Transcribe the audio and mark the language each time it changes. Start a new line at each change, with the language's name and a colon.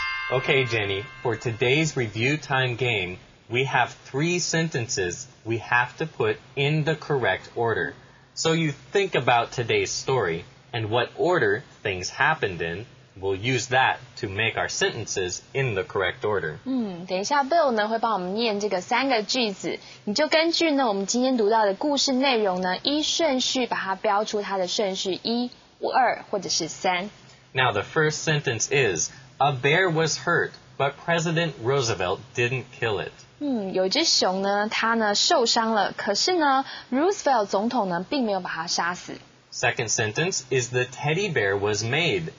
English: Okay, Jenny, for today's review time game,We have three sentences we have to put in the correct order. So you think about today's story and what order things happened in. We'll use that to make our sentences in the correct order.
Chinese: 等一下 Bill 呢会帮我们念这个三个句子。你就根据呢我们今天读到的故事内容呢依顺序把它标出它的顺序一、二或者是三。
English: Now the first sentence is, a bear was hurt, but President Roosevelt didn't kill it.
Chinese: 有一只熊呢它呢受伤了可是呢 Roosevelt 总统呢并没有把它杀死。
English: Second sentence is the teddy bear was made.